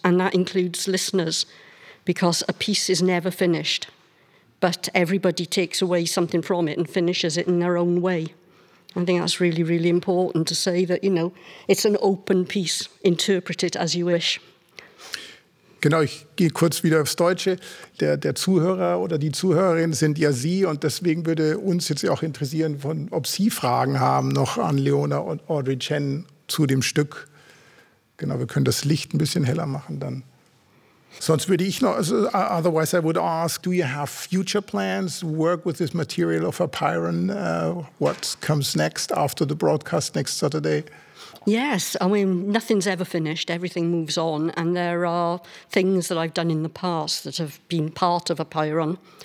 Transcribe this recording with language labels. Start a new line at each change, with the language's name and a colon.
English: And that includes listeners, because a piece is never finished, but everybody takes away something from it and finishes it in their own way. I think that's really, really important to say that, you know, it's an open piece. Interpret it as you wish.
German: Genau, ich gehe kurz wieder aufs Deutsche. Der Zuhörer oder die Zuhörerin sind ja Sie, und deswegen würde uns jetzt auch interessieren, ob Sie Fragen haben noch an Leona und Audrey Chen zu dem Stück. Genau, wir können das Licht ein bisschen heller machen dann. Sonst würde ich noch,
English: otherwise I would ask, do you have future plans to work with this material of Apeiron? What comes next after the broadcast next Saturday? Yes, I mean, nothing's ever finished. Everything moves on. And there are things that I've done in the past that have been part of Apeiron.